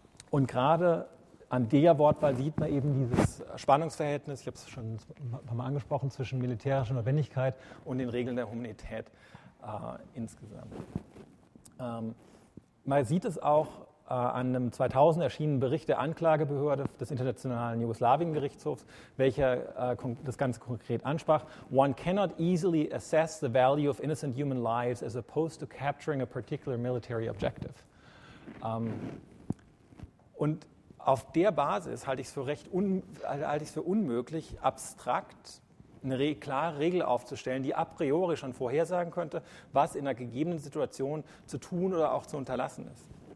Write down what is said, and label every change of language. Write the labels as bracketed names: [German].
[German] Und gerade an der Wortwahl sieht man eben dieses Spannungsverhältnis, ich habe es schon ein paar Mal angesprochen, zwischen militärischer Notwendigkeit und den Regeln der Humanität. Insgesamt. Man sieht es auch an einem 2000 erschienenen Bericht der Anklagebehörde des Internationalen Jugoslawien-Gerichtshofs, welcher das Ganze konkret ansprach. [English] One cannot easily assess the value of innocent human lives as opposed to capturing a particular military objective. [German] Und auf der Basis halte ich es für unmöglich, abstrakt eine klare Regel aufzustellen, die a priori schon vorhersagen könnte, was in einer gegebenen Situation zu tun oder auch zu unterlassen ist.